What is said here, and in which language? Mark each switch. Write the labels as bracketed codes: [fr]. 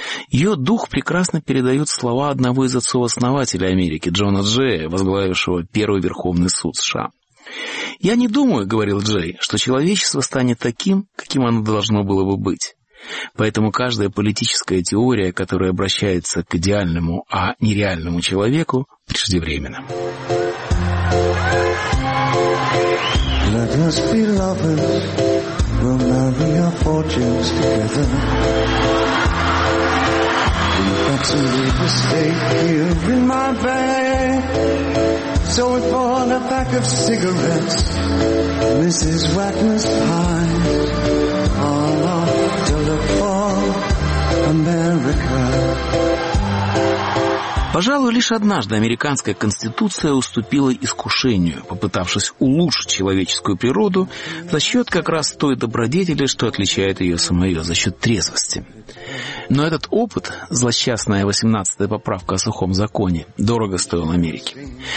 [ru] Ее дух прекрасно передают слова одного из отцов-основателей Америки, Джона Джея, возглавившего первый Верховный суд США. «Я не думаю, — говорил Джей, — что человечество станет таким, каким оно должно было бы быть». Поэтому каждая политическая теория, которая обращается к идеальному, а нереальному человеку, преждевременна. [en] Let us be lovers, we'll marry our fortunes together. We've got to leave a stake here in my bag. So we bought a pack of cigarettes, Mrs. Wagner's pie. All off to look for America. [ru] Пожалуй, лишь однажды американская конституция уступила искушению, попытавшись улучшить человеческую природу за счет как раз той добродетели, что отличает ее самое, за счет трезвости. Но этот опыт, злосчастная 18-я поправка о сухом законе, дорого стоил Америке.